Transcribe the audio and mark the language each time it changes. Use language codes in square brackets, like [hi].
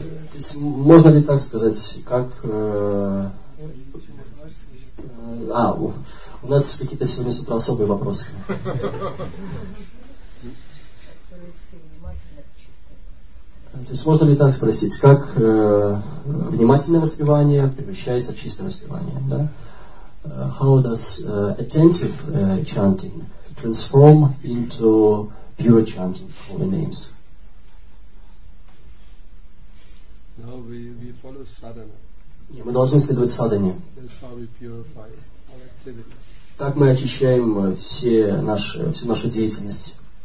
[ru] То есть можно ли так сказать, как у нас какие-то сегодня с утра особые вопросы. То есть можно ли так спросить, как внимательное воспевание превращается в чистое воспевание, да? [en] How does attentive chanting transform into pure chanting of the names? No, we follow sadhana. [ru] Мы должны следовать садхане. [en] That's how we purify our activities. [ru] Так мы очищаем всю нашу деятельность.